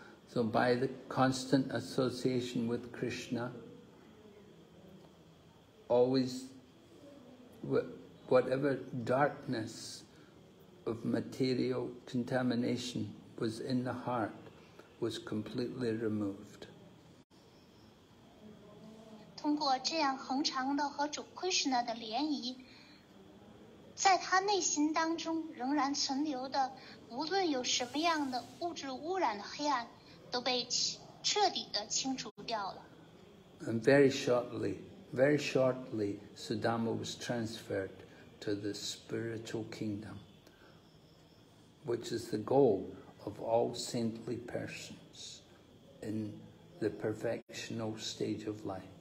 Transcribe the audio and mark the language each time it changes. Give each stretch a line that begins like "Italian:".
English: So by the constant association with Krishna, always whatever darkness,of material contamination was in the heart was completely removed.
Chinese: 通过这样恒常的和主 Krishna 的联谊，在他内心当中仍然存留的无论有什么样的物质污染的黑暗都被彻底的清除掉了。
English: And very shortly, Sudama was transferred to the spiritual kingdom. Which is the goal of all saintly persons in the perfectional stage of life.